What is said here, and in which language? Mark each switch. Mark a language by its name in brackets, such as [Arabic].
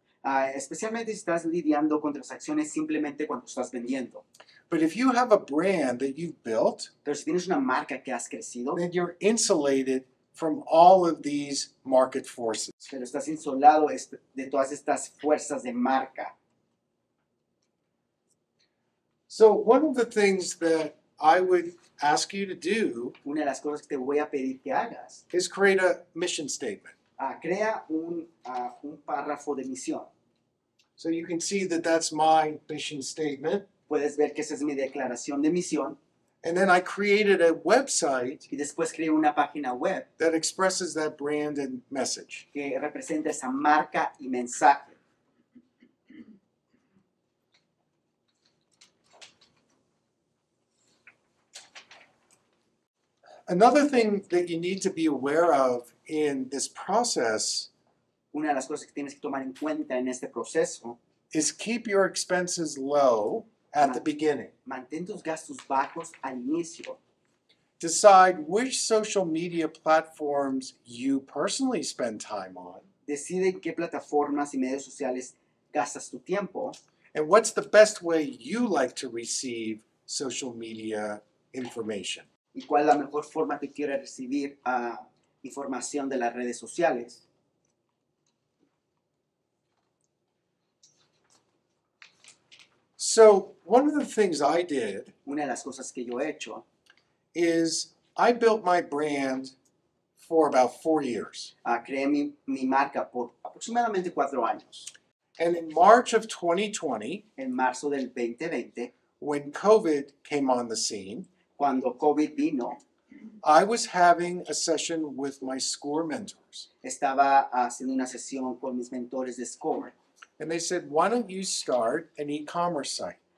[Spanish] Especialmente si estás lidiando con transacciones simplemente cuando estás vendiendo. [English] But if you have a brand that you've built, [Spanish] pero si tienes una marca que has crecido, [English] then you're insulated from all of these market forces. [Spanish] Pero estás insulado de todas estas fuerzas de marca. [English] So one of the things that I would ask you to do, [Spanish] una de las cosas que te voy a pedir que hagas, [English] is create a mission statement. [Spanish] Crea un párrafo de misión. [English] So you can see that that's my mission statement. [Spanish] Puedes ver que esa es mi declaración de misión. [English] And then I created a website, [Spanish] y después creé una página web, [English] that expresses that brand and message, [Spanish] que representa esa marca y mensaje. [English] Another thing that you need to be aware of in this process, [Spanish] una de las cosas que tienes que tomar en cuenta en este proceso, [English] is keep your expenses low at the beginning. [Spanish] Mantén tus gastos bajos al inicio. [English] Decide which social media platforms you personally spend time on. [Spanish] Decide en qué plataformas y medios sociales gastas tu tiempo. [English] And what's the best way you like to receive social media information. [Spanish] Y cuál es la mejor forma que quieres recibir información de las redes sociales. [English] So one of the things I did, [Spanish] una de las cosas que yo he hecho, [English] is I built my brand for about 4 years. [Spanish] Creé mi marca por aproximadamente 4 años. [English] And in March of 2020, [Spanish] en marzo del 2020, [English] when COVID came on the scene, [Spanish] cuando COVID vino, [English] I was having a session with my score mentors. [Spanish] Estaba haciendo una sesión con mis mentores de score. [English] And they said, why don't you start an e-commerce site?